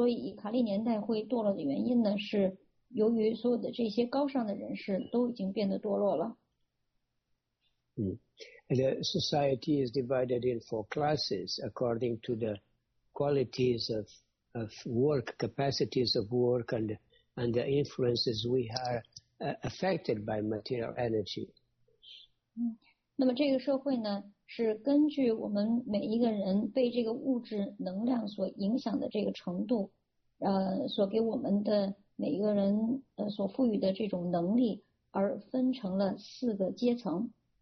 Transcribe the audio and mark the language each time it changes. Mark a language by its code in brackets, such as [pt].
[zh] 那为什么在卡利年代之末的时候，一切的情况会如此的糟糕呢？但事实上，在卡利年代刚开始的时候，现在我们已经看到了各种各样的堕落的景象。那之所以卡利年代会堕落的原因呢，是 由于所有的这些高尚的人士都已经变得堕落了。The [en] society is divided in four classes according to the qualities of work, capacities of work, and the influences we are affected by material energy. [zh] 那么这个社会呢，是根据我们每一个人被这个物质能量所影响的这个程度，所给我们的 每一个人所赋予的这种能力，而分成了四个阶层。